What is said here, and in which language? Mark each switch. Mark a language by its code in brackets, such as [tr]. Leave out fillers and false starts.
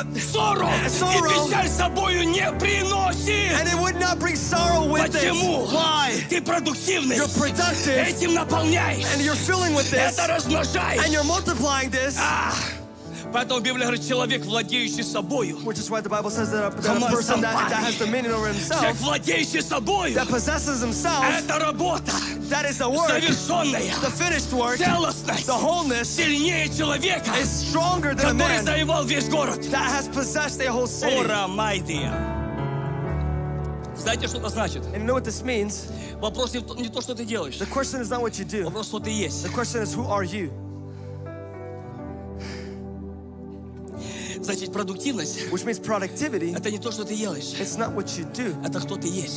[en] sorrow. [ru] И печаль собою не приносит. [en] And it would not bring sorrow with it. [ru] Почему? [en] Why? [ru] Ты продуктивный. [en] You're productive. [ru] Этим наполняешь. [en] And you're filling with this. [ru] Это размножаешь. [en] And you're multiplying this. [ru] Поэтому Библия говорит, человек, владеющий собою. [en] Which is why the Bible says that a person that has dominion over himself. [ru] Человек, владеющий собою. [en] That possesses himself. [ru] Это работа. [en] That is the work. The finished work. The wholeness. Is stronger than a man that has possessed a whole city. [ru] Знаете, что это значит? [en] And you know what this means? [ru] Вопрос не то, что ты делаешь. [en] The question is not what you do. [ru] Вопрос, кто ты есть. [en] The question is, who are you? [ru] Значит, продуктивность. [en] Which means productivity. [ru] Это не то, что ты делаешь. [en] It's not what you do. [ru] Это кто ты есть.